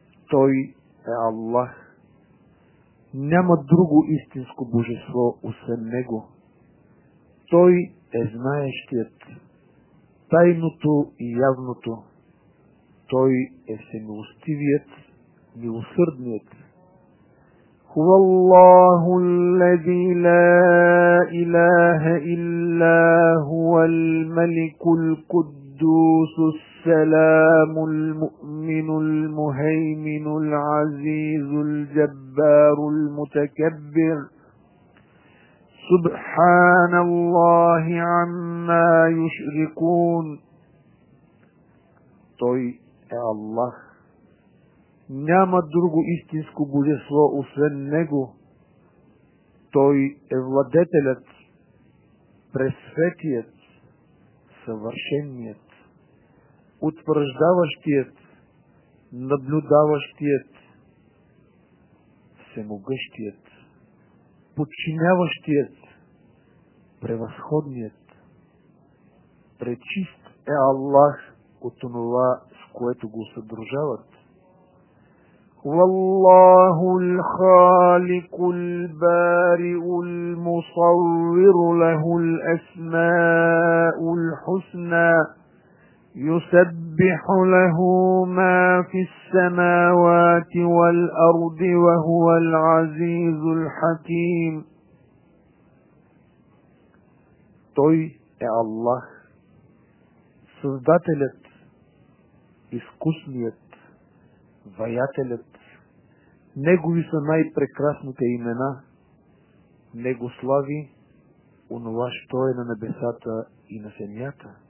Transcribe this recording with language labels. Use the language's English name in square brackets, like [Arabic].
[Bulgarian] Той е Аллах. Няма друго истинско божество освен Него. Той е знаещият, тайното и явното. Той е всемилостивият, милосърдният. [Arabic] Хува Аллаху аллази ла илаха илля хувал маликул куддусус саламул муъминул мухайминул азизул джаббарул мутакаббир. سبحان الله عما يشركون. [Bulgarian] Той е Аллах. Няма друго истинско божество освен Него. Той е владетелят, пресветият, съвършенният, утвърждаващият, наблюдаващият, всемогъщият, подчиняващият, превъзходният. Пречист е Аллах от онова, с което го съдружават. [Arabic] والله الخالق البارئ المصور له الأسماء الحسنى يسبح له ما في السماوات والأرض وهو العزيز الحكيم. [Bulgarian] Той е Аллах, Създателят, Изкусният, Ваятелят. Негови са най-прекрасните имена. Него слави онова, що е на небесата и на земята.